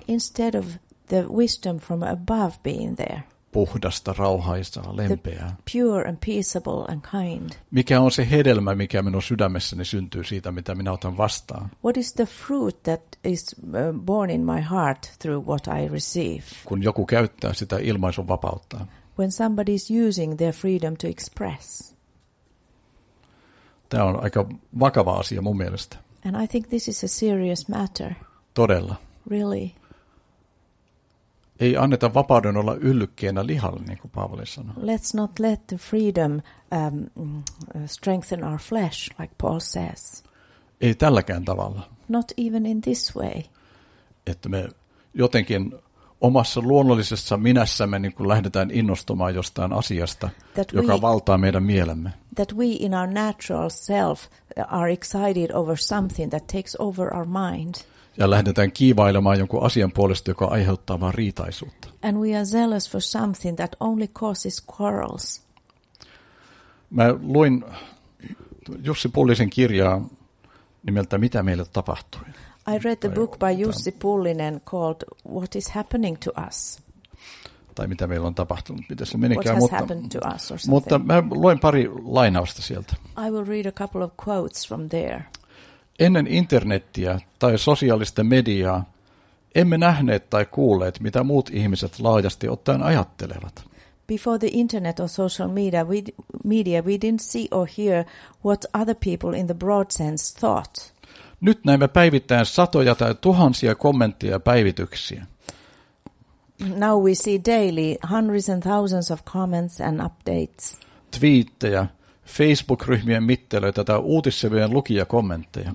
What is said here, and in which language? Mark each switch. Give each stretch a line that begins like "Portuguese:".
English: Instead of the wisdom from above being there.
Finnish: Puhdasta, rauhaisaa, lempeää.
English: Pure and peaceable and kind.
Finnish: Mikä on se hedelmä, mikä minun sydämessäni syntyy siitä, mitä minä otan vastaan?
English: What is the fruit that is born in my heart through what I receive?
Finnish: Kun joku käyttää sitä ilmaisun vapautta.
English: When somebody is using their freedom to express.
Finnish: Tämä on aika vakava asia mun mielestä.
English: And I think this is a serious matter.
Finnish: Todella.
English: Really.
Finnish: Ei anneta vapauden olla yllykkeenä lihalle, niin kuin Paavali sanoi.
English: Let's not let the freedom strengthen our flesh, like Paul says.
Finnish: Ei tälläkään tavalla.
English: Not even in this way.
Finnish: Että me jotenkin omassa luonnollisessa minässämme niin kuin lähdetään innostumaan jostain asiasta, joka valtaa meidän mielemme.
English: That we in our natural self are excited over something that takes over our mind.
Finnish: Ja lähdetään kiivailemaan jonkun asian puolesta, joka aiheuttaa vain riitaisuutta.
English: And we are zealous for something that only causes quarrels.
Finnish: Mä luin Jussi Pullisen kirjaa nimeltä Mitä meille tapahtui?
English: I read the book by Jussi Pullinen called What is happening to us?
Finnish: Tai mitä meillä on tapahtunut, mitä se menikään.
English: What has happened to us or something?
Finnish: Mutta mä luen pari lainausta sieltä.
English: I will read a couple of quotes from there.
Finnish: Ennen internettiä tai sosiaalista mediaa emme nähneet tai kuulleet, mitä muut ihmiset laajasti ottaen ajattelevat.
English: Before the internet or social media, we didn't see or hear what other people in the broad sense thought.
Finnish: Nyt näemme päivittäin satoja tai tuhansia kommentteja ja päivityksiä.
English: Now we see daily hundreds and thousands of comments and updates.
Finnish: Twiittejä, Facebook-ryhmien mittelöitä tai uutissivujen lukijakommentteja.